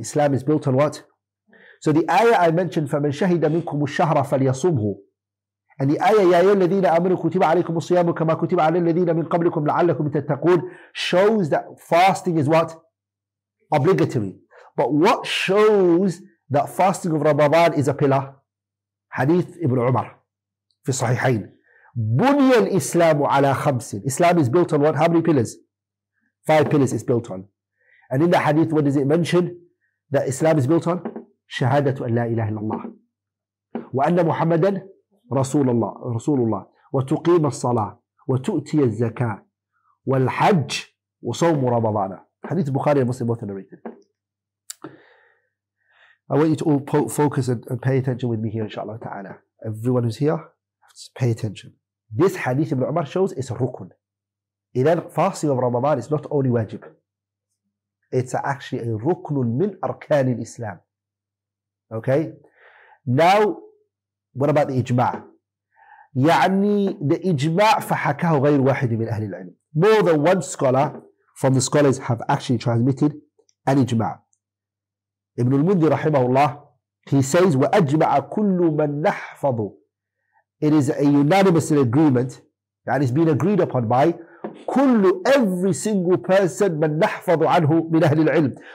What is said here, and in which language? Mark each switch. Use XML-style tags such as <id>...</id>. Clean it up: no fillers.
<en>Islam is built on what? So the ayah I mentioned,</en> <ar>فَمَنْ شَهِدَ مِنْكُمُ الشَّهْرَ فَلْيَصُمْهُ.</ar> <en>And the ayah,</en> <ar>يَا الَّذِينَ آمَنُوا كُتِبَ عَلَيْكُمُ الصِّيَامُ كَمَا كُتِبَ عَلَى الَّذِينَ مِنْ قَبْلِكُمْ لَعَلَّكُمْ تَتَّقُونَ,</ar> <en>shows that fasting is what? Obligatory. But what shows that fasting of Ramadan is a pillar? Hadith Ibn Umar</en> <ar>في الصحيحين. بُنِيَ الْإِسْلَامُ عَلَى خَمْسٍ.</ar> <en>Islam is built on what? How many pillars? Five pillars it's built on. And in the hadith, what does it mention? That Islam is built on?</en> <ar>شهادة أن لا إله إلا الله وأن محمدا رسول الله رسول الله وتقيم الصلاة وتؤتي الزكاة والحج وصوم رمضان. حديث البخاري ومسلم</ar> <en>both narrated. I want you to all focus and pay attention with me here, inshallah ta'ala. Everyone who's here, pay attention. This hadith Ibn Umar shows it's a rukun. Then fasting of Ramadan is not only wajib, it's actually a rukun min arkan al-Islam. Okay? Now, what about the ijma'?</en> <ar>يعني the ijma' فحكاه غير واحد من أهل العلم.</ar> <en>More than one scholar from the scholars have actually transmitted an ijma'. Ibn al-Mundhir رحمه الله, he says,</en> <ar>وأجمع كل من نحفظ.</ar> <en>It is a unanimous agreement, and it's been agreed upon by كل, every single person,</en> <ar>من نحفظ عنه من أهل العلم.</ar>